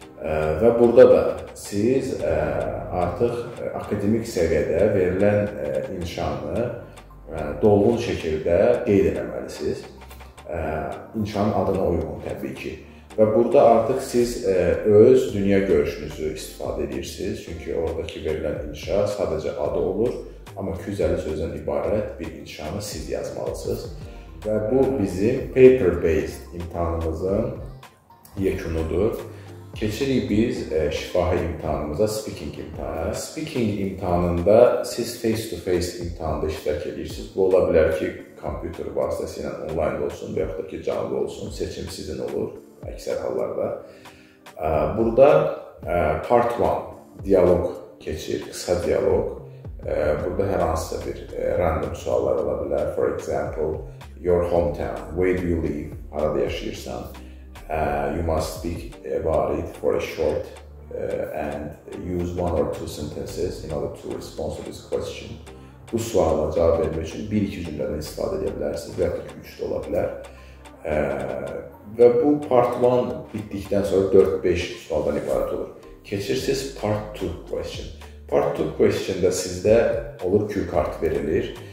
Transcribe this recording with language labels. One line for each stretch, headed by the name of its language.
Azerbaijani: Və burada da siz artıq akademik səviyyədə verilən inşanı dolğun şəkildə qeyd eləməlisiniz. İnşanın adına uyğun təbii ki. Və burada artıq siz öz dünya görüşünüzü istifadə edirsiniz. Çünki oradakı verilən inşa sadəcə adı olur, amma 250 sözdən ibarət bir inşanı siz yazmalısınız. Və bu bizim paper-based imtihanımızın yekunudur. Keçirik biz şifahi imtihanımıza, speaking imtihanı. Speaking imtihanında siz face-to-face imtihanda iştirak edirsiniz. Bu ola bilər ki, kompüter vasitəsilə online olsun və yaxud da ki, canlı olsun. Seçim sizin olur əksər hallarda. Burada part 1, diyaloq keçir, qısa diyaloq. Burada hər hansısa bir random suallar ola bilər.
English: For example, your hometown, where do you live,
Azerbaijani: harada yaşayırsan.
English: You must speak about it for a short and use one or two sentences in order to respond to this question.
Azerbaijani: Bu suala cavab vermək üçün 1-2 cümlədən istifadə edə bilərsiniz və ya da 3-də ola bilər. Və bu part 1 bitdikdən sonra 4-5 sualdan ibarət olur. Keçirsiniz part 2 question. Part 2 question-də sizdə olur cue card verilir.